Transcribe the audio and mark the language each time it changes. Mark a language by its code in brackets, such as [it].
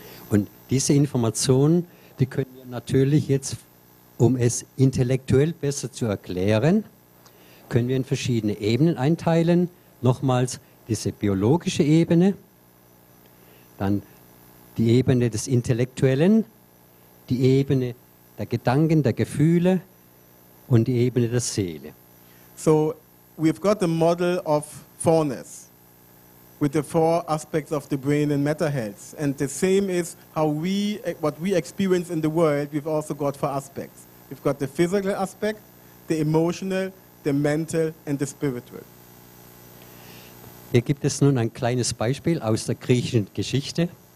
[de] Und diese Informationen, die können wir natürlich jetzt, um es intellektuell besser zu erklären, können wir in verschiedene Ebenen einteilen. Nochmals diese biologische Ebene, dann die Ebene des Intellektuellen, die Ebene der Gedanken, der Gefühle und die Ebene der Seele. [en] So, we've got the model of fourness with the four aspects of the brain and matter health. And the same is how we, what we experience in the world, we've also got four aspects. We've got the physical aspect, the emotional, the mental and the spiritual. [de] Hier gibt es nun ein kleines Beispiel aus der griechischen Geschichte.